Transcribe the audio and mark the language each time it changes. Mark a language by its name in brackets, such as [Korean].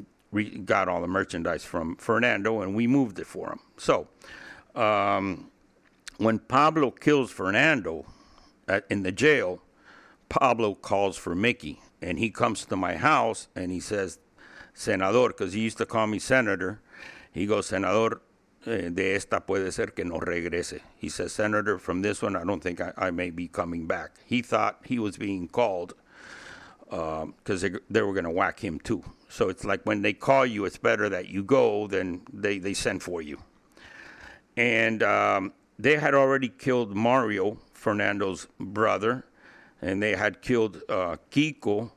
[English] We got all the merchandise from Fernando, and we moved it for him. So when Pablo kills Fernando in the jail, Pablo calls for Mickey. And he comes to my house and he says, Senador, because he used to call me Senator. [Spanish] He goes, Senador, de esta puede ser que no regrese. [English] He says, Senator, from this one, I don't think I may be coming back. He thought he was being called because they were going to whack him too. So it's like when they call you, it's better that you go than they send for you. And they had already killed Mario, Fernando's brother, and they had killed Kiko.